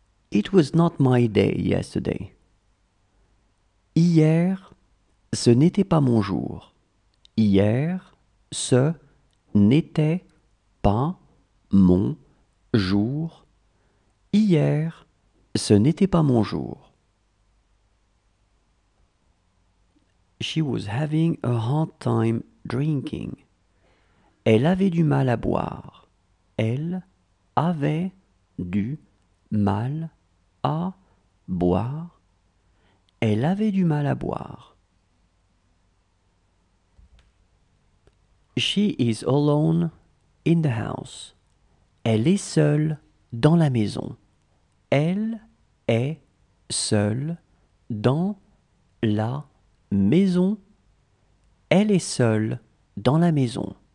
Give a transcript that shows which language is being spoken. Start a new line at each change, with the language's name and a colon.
English: It was not my day yesterday.
French: Hier, ce n'était pas mon jour. Hier, ce n'était pas mon jour. Hier, ce n'était pas mon jour.
English: She was having a hard time drinking.
French: Elle avait du mal à boire. Elle avait du mal à boire. Elle avait du mal à boire.
English: She is alone in the house.
French: Elle est seule dans la maison. Elle est seule dans la maison. Elle est seule dans la maison.